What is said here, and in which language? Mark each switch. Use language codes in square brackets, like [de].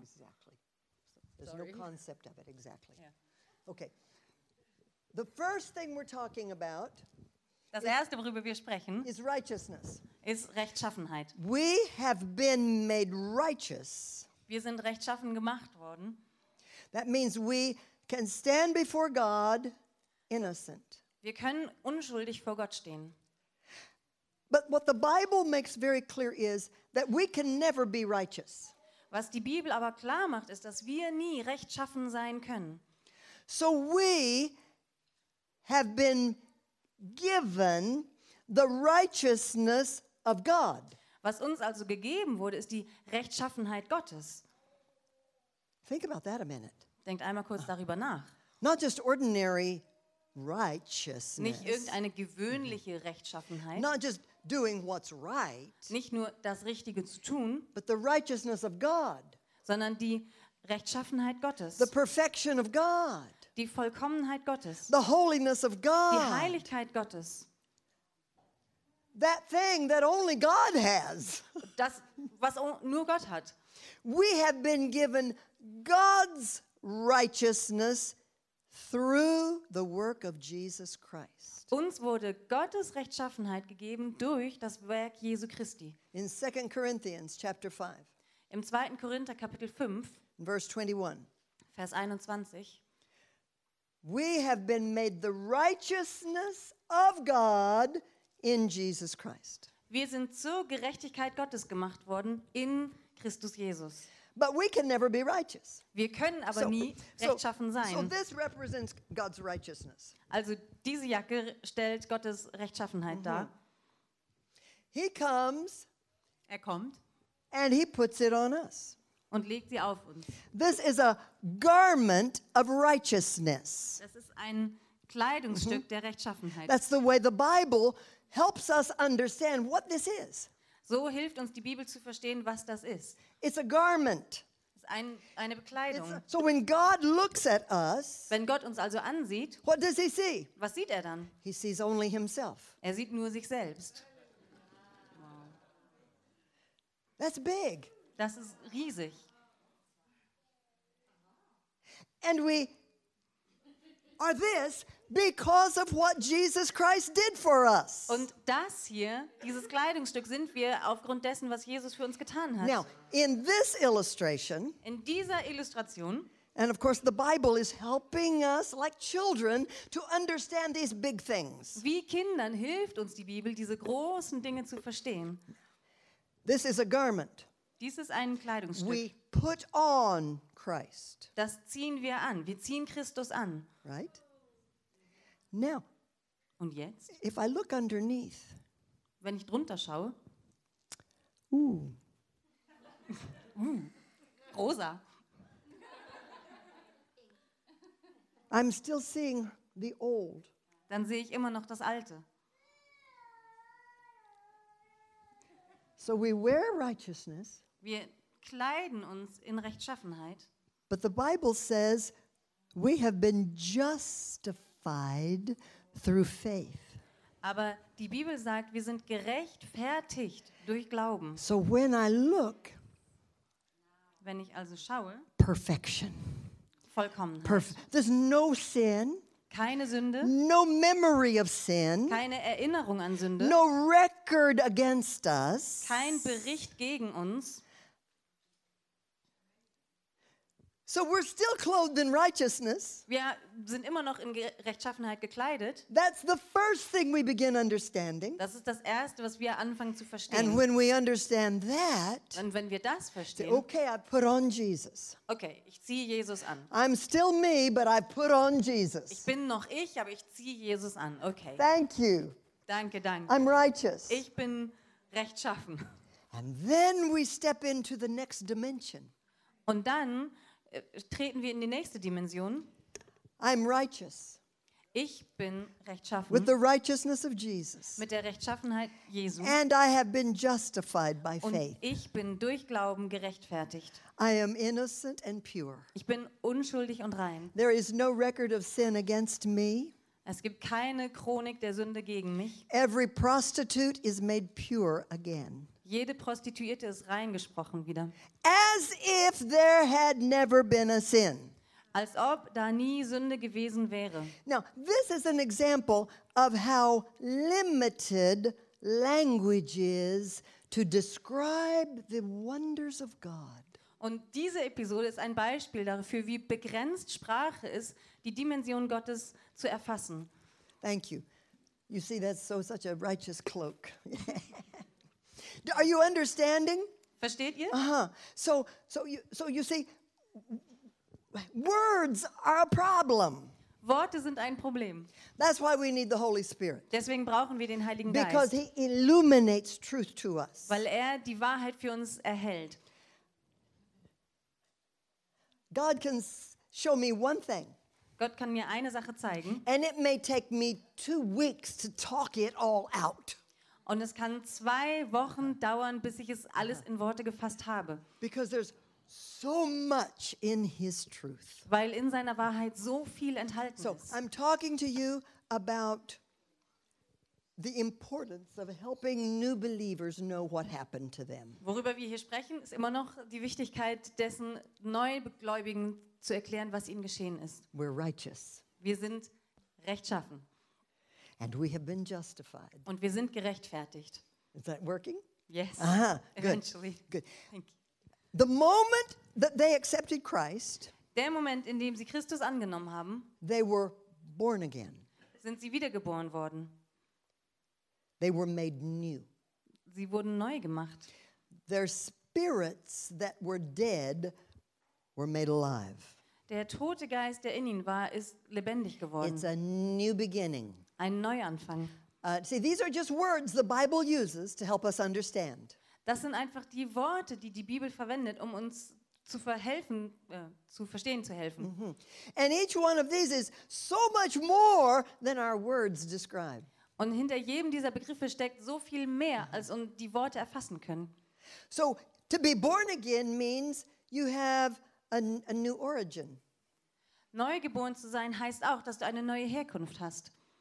[en] Exactly. So there's no concept of it, exactly. Yeah. Okay. The first thing we're talking about, [de] das erste, worüber wir sprechen, [en] is righteousness. [de] Ist Rechtschaffenheit. [en] We have been made righteous. [de] Wir sind rechtschaffen gemacht worden. [en] That means we can stand before God innocent. [de] Wir können unschuldig vor Gott stehen. [en] But what the Bible makes very clear is that we can never be righteous. [de] Was die Bibel aber klar macht, ist, dass wir nie rechtschaffen sein können. [en] So we have been given the righteousness of God. [de] Was uns also gegeben wurde, ist die Rechtschaffenheit Gottes. [en] Think about that a minute. [de] Denkt einmal kurz darüber nach. [en] Not just ordinary righteousness. [de] Nicht irgendeine gewöhnliche Rechtschaffenheit. [en] Not just doing what's right. [de] Nicht nur das Richtige zu tun. [en] But the righteousness of God. [de] Sondern die Rechtschaffenheit Gottes. [en] The perfection of God. [de] Die Vollkommenheit Gottes. [en] The holiness of God. [de] Die Heiligkeit Gottes. [en] That thing that only God has. [de] Das, was nur Gott hat. [en] We have been given God's righteousness through the work of Jesus Christ. [de] Uns wurde Gottes Rechtschaffenheit gegeben durch das Werk Jesu Christi. [en] In 2 Corinthians chapter 5. [de] Im 2. Korinther Kapitel 5. [en] Verse 21. [de] Vers 21. [en] We have been made the righteousness of God in Jesus Christ. [de] Wir sind zur Gerechtigkeit Gottes gemacht worden in Christus Jesus. [en] But we can never be righteous. [de] Wir können aber nie rechtschaffen sein. [en] So this represents God's righteousness. [de] Also diese Jacke stellt Gottes Rechtschaffenheit dar. [en] He comes. [de] Er kommt. [en] And he puts it on us. [de] Und legt sie auf uns. [en] This is a garment of righteousness. [de] Das ist ein Kleidungsstück der Rechtschaffenheit. [en] That's the way the Bible helps us understand what this is. [de] So hilft uns die Bibel zu verstehen, was das ist. [en] It's a garment. [de] Es ist eine Bekleidung. [en] So when God looks at us, [de] wenn Gott uns also ansieht, [en] what does he see? [de] Was sieht er dann? [en] He sees only himself. [de] Er sieht nur sich selbst. [en] That's big. [de] Das ist riesig. [en] And we are this because of what Jesus Christ did for us. [de] Und das hier, dieses Kleidungsstück, sind wir aufgrund dessen, was Jesus für uns getan hat. [en] Now, in this illustration, [de] in dieser Illustration, [en] and of course the Bible is helping us like children to understand these big things. [de] Wie Kindern hilft uns die Bibel, diese großen Dinge zu verstehen. [en] This is a garment. [de] Dies ist ein Kleidungsstück. [en] We put on Christ. [de] Das ziehen wir an. Wir ziehen Christus an. [en] Right? Now. [de] Und jetzt? [en] If I look underneath. [de] Wenn ich drunter schaue. Rosa. [en] I'm still seeing the old. [de] Dann sehe ich immer noch das Alte. [en] So we wear righteousness. [de] Wir kleiden uns in Rechtschaffenheit. [en] But the Bible says we have been justified through faith. [de] Aber die Bibel sagt, wir sind gerechtfertigt durch Glauben. [en] So when I look, [de] wenn ich also schaue, [en] perfection. [de] Vollkommenheit. [en] There's no sin. [de] Keine Sünde. [en] No memory of sin. [de] Keine Erinnerung an Sünde. [en] No record against us. [de] Kein Bericht gegen uns. [en] So we're still clothed in righteousness. [de] Wir sind immer noch in Rechtschaffenheit gekleidet. [en] That's the first thing we begin understanding. [de] Das ist das Erste, was wir anfangen zu verstehen. [en] And when we understand that, [de] und wenn wir das verstehen, [en] okay, I put on Jesus. [de] Okay, ich ziehe Jesus an. [en] I'm still me, but I put on Jesus. [de] Ich bin noch ich, aber ich ziehe Jesus an. [en] Okay. Thank you. [de] Danke, danke. [en] I'm righteous. [de] Ich bin rechtschaffen. [en] And then we step into the next dimension. [de] Und dann treten wir in die nächste Dimension. [en] I'm righteous. [de] Ich bin rechtschaffen. [en] With the righteousness of Jesus. [de] Mit der Rechtschaffenheit Jesu. [en] And I have been justified by faith. [de] Und ich bin durch Glauben gerechtfertigt. [en] I am innocent and pure. [de] Ich bin unschuldig und rein. [en] There is no record of sin against me. [de] Es gibt keine Chronik der Sünde gegen mich. [en] Every prostitute is made pure again. [de] Jede Prostituierte ist reingesprochen wieder. [en] As if there had never been a sin. [de] Als ob da nie Sünde gewesen wäre. [en] Now, this is an example of how limited language is to describe the wonders of God. [de] Und diese Episode ist ein Beispiel dafür, wie begrenzt Sprache ist, die Dimension Gottes zu erfassen. [en] Thank you. You see, that's so such a righteous cloak. Are you understanding? [de] Versteht ihr? [en] So you see, words are a problem. [de] Worte sind ein Problem. [en] That's why we need the Holy Spirit. [de] Deswegen brauchen wir den Heiligen Geist. [en] Because he illuminates truth to us. [de] Weil er die Wahrheit für uns erhält. [en] God can show me one thing. [de] Gott kann mir eine Sache zeigen. [en] And it may take me 2 weeks to talk it all out. [de] Und es kann 2 Wochen dauern, bis ich es alles in Worte gefasst habe. [en] Because there's so much in his truth. [de] Weil in seiner Wahrheit so viel enthalten ist. [en] So, I'm talking to you about the importance of helping new believers know what happened to them. [de] Worüber wir hier sprechen, ist immer noch die Wichtigkeit dessen, Neugläubigen zu erklären, was ihnen geschehen ist. [en] We're righteous. [de] Wir sind rechtschaffen. [en] And we have been justified. [de] Und wir sind gerechtfertigt. [en] Is that working? Yes. Aha, eventually. Good. Thank you. The moment that they accepted Christ, [de] der Moment, in dem sie Christus angenommen haben, [en] they were born again. [de] Sind sie wiedergeboren worden. [en] They were made new. [de] Sie wurden neu gemacht. [en] Their spirits that were dead were made alive. [de] Der tote Geist, der in ihnen war, ist lebendig geworden. [en] It's a new beginning. [de] Ein Neuanfang. [en] See, these are just words the Bible uses to help us understand. [de] Das sind einfach die Worte, die die Bibel verwendet, um uns zu verhelfen, zu verstehen zu helfen. Mm-hmm. [en] And each one of these is so much more than our words describe. [de] Und hinter jedem dieser Begriffe steckt so viel mehr, als uns die Worte erfassen können. [en] So, to be born again means you have a new origin. [de] Neugeboren zu sein heißt auch, dass du eine neue Herkunft hast.